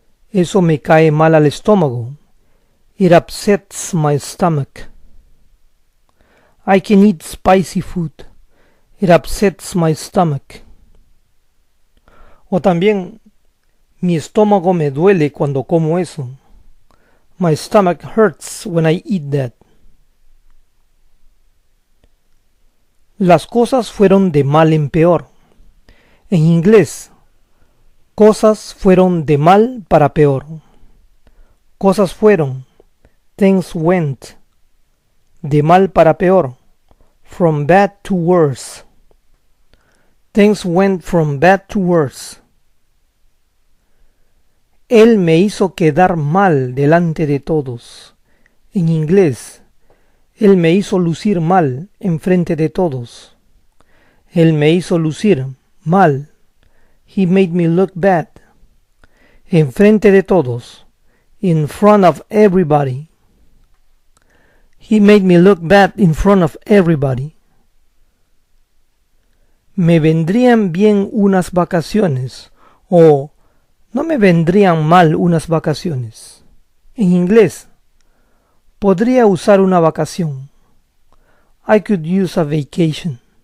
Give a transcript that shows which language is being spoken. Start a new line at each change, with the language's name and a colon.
Spanish: Eso me cae mal al estómago.
English: It upsets my stomach. I can eat spicy food. It upsets my stomach.
Spanish: O también, mi estómago me duele cuando como eso.
English: My stomach hurts when I eat that.
Spanish: Las cosas fueron de mal en peor. En inglés, cosas fueron de mal para peor. Cosas fueron,
English: things went,
Spanish: de mal para peor,
English: from bad to worse. Things went from bad to worse.
Spanish: Él me hizo quedar mal delante de todos. En inglés, él me hizo lucir mal en frente de todos. Él me hizo lucir mal.
English: He made me look bad.
Spanish: En frente de todos.
English: In front of everybody. He made me look bad in front of everybody.
Spanish: Me vendrían bien unas vacaciones. O no me vendrían mal unas vacaciones. En inglés. Podría usar una vacación.
English: I could use a vacation.